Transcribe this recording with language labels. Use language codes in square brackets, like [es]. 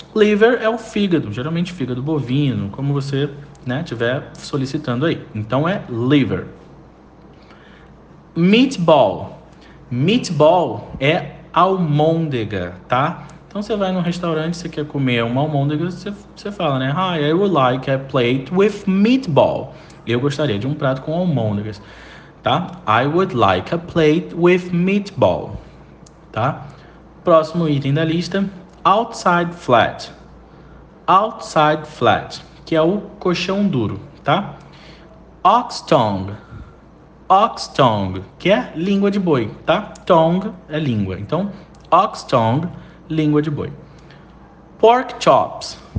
[pt] Liver é o fígado, geralmente fígado bovino, como você, né, tiver solicitando aí. Então é liver. Meatball. Meatball é almôndega, tá? Então você vai num restaurante, você quer comer uma almôndega, você fala, né? [en] Hi, I would like a plate with meatball. [pt] Eu gostaria de um prato com almôndegas, tá? [en] I would like a plate with meatball, tá? [pt] Próximo item da lista, outside flat. Outside flat, que é o colchão duro, tá? Ox tongue. Ox tongue, que é língua de boi, tá? Tongue é língua. Então, ox tongue, língua de boi. Pork chops.